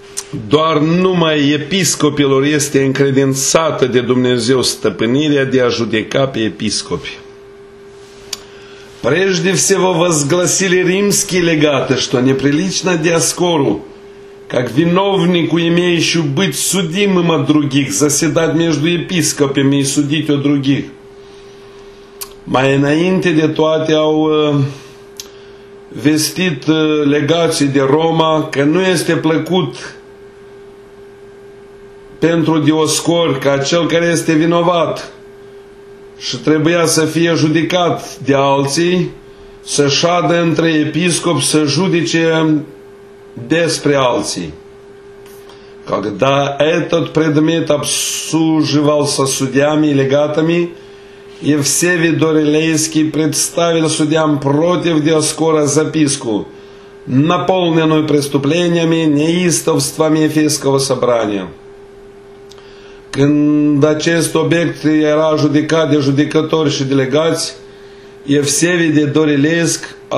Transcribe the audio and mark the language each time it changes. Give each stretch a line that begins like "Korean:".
Romanian: Doar numai episcopilor este încredințată de Dumnezeu stăpânirea de a judeca pe episcopi.
Russian: Прежде всего возгласили римские легаты, что неприлично диаскору, как виновнику, имеющему быть судимым от других, заседать между епископами и судить о других.
Romanian: Mai înainte de toate au vestit legații de Roma că nu este plăcut pentru dioscor ca cel care este vinovat și trebuia să fie judecat de alții, să șadă între episcopi, să judece despre alții.
Russian: Когда этот предмет обсуживался судьями и легатами, Евсевий Дорилейский представил судьям против Диоскора записку, наполненную преступлениями, неистовствами Ефесского собрания.
Romanian: Când acest obiect era judecat de judecători și delegați, Evsevii de Dorilesc